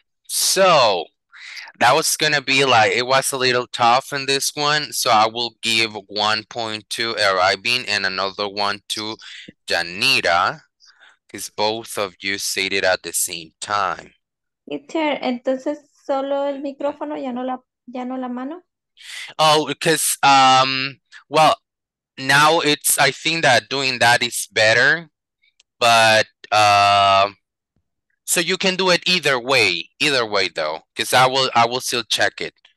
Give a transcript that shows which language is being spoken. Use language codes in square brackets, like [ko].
[en] So, that was going to be like, it was a little tough in this one, so I will give 1 point to Arabin and another one to Janita, because both of you said it at the same time. [es] Entonces, solo el micrófono, ya no la mano. [en] Oh, because, well, now it's, I think that doing that is better, but, so you can do it either way though, because I will still check it.